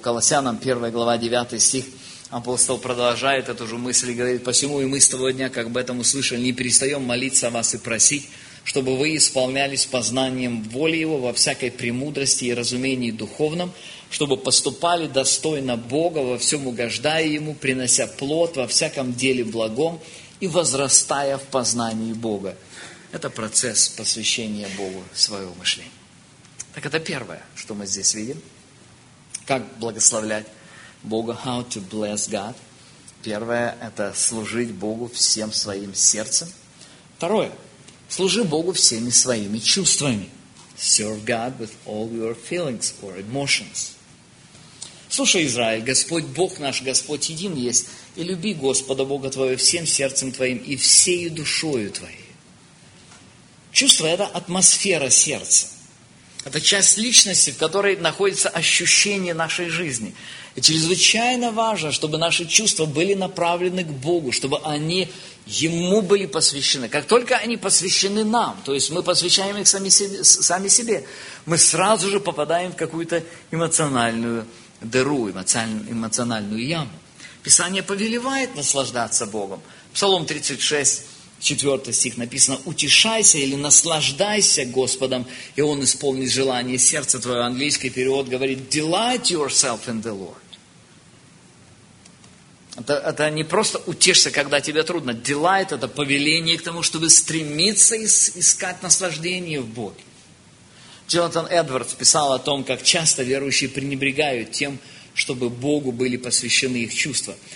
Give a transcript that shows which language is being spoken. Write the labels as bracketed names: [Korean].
[Russian] Колоссянам 1 глава 9 стих. Апостол продолжает эту же мысль и говорит: «Посему и мы с того дня, как об этом услышали, не перестаем молиться о вас и просить, чтобы вы исполнялись познанием воли Его во всякой премудрости и разумении духовном, чтобы поступали достойно Бога, во всем угождая Ему, принося плод во всяком деле благом и возрастая в познании Бога». Это процесс посвящения Богу своего мышления. Так это первое, что мы здесь видим. Как благословлять Бога, how to bless God. Первое – это служить Богу всем своим сердцем. Второе – служи Богу всеми своими чувствами. [English] Serve God with all your feelings or emotions. [Russian] Слушай, Израиль, Господь Бог наш, Господь един есть, и люби Господа Бога твоего всем сердцем твоим и всею душою твоей. Чувство – это атмосфера сердца. Это часть личности, в которой находится ощущение нашей жизни. И чрезвычайно важно, чтобы наши чувства были направлены к Богу, чтобы они Ему были посвящены. Как только они посвящены нам, то есть мы посвящаем их сами себе, мы сразу же попадаем в какую-то эмоциональную дыру, эмоциональную яму. Писание повелевает наслаждаться Богом. Псалом 36, 4 стих написано: «Утешайся или наслаждайся Господом, и Он исполнит желание сердца твоего». Английский перевод говорит: «Delight yourself in the Lord». Это не просто утешься, когда тебе трудно. Delight – это повеление к тому, чтобы стремиться искать наслаждение в Боге. Джонатан Эдвардс писал о том, как часто верующие пренебрегают тем, чтобы Богу были посвящены их чувства.